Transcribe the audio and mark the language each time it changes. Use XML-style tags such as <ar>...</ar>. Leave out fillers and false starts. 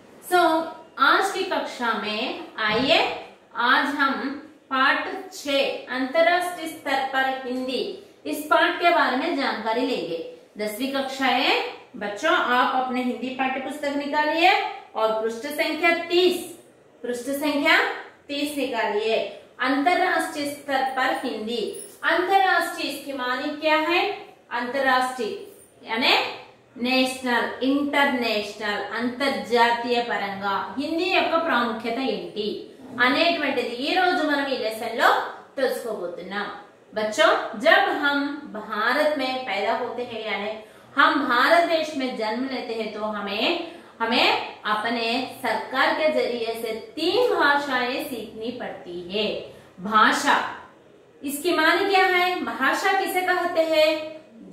<hi>सो आज की कक्षा में आइए आज हम पार्ट 6 अंतरराष्ट्रीय स्तर पर हिंदी इस पार्ट के बारे में जानकारी लेंगे। दसवीं कक्षा है बच्चों, आप अपने हिंदी पाठ्य पुस्तक निकालिए और पृष्ठ संख्या 30 निकालिए। अंतरराष्ट्रीय स्तर पर हिंदी, अंतरराष्ट्रीय इसके माने क्या है? अंतरराष्ट्रीय यानी नेशनल इंटरनेशनल अंतर्जातीय परंगा हिंदी</hi> <te>యొక్క ప్రాముఖ్యత ఏంటి అనేటువంటిది ఈ రోజు మనం ఈ లెసన్ లో తెలుసుకోబోతున్నాం।</te> <hi>बच्चों जब हम भारत में पैदा होते हैं यानी हम भारत देश में जन्म लेते हैं तो हमें अपने सरकार के जरिए से 3 भाषाएं सीखनी पड़ती है। भाषा इसकी माने क्या है? भाषा किसे कहते हैं?</hi>